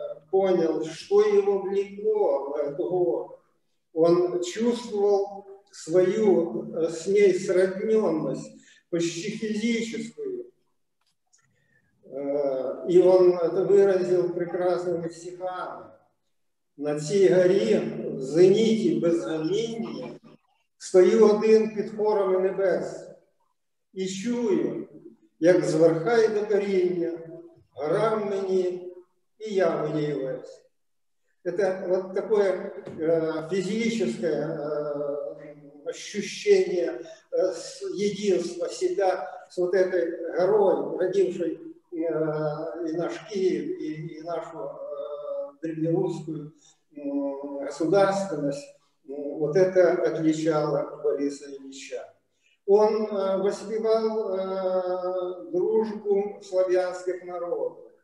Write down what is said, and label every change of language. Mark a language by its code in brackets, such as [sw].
[ru] понял, что его влекло в эту гору. Он чувствовал свою с ней сродненность, почти физическую. И он это выразил прекрасными стихами. [uk] На цій горі, в зеніті безгалінні, стою один під хорами небес і чую, як зверхає до коріння, гора мені і я в ній весь. Це от таке фізичне відчуття єдинства себе з от цією горою, родившою і наш Київ, і нашу древньоруську государственность, [ru] вот это отличало Бориса Ильича. Он воспевал дружбу славянских народов.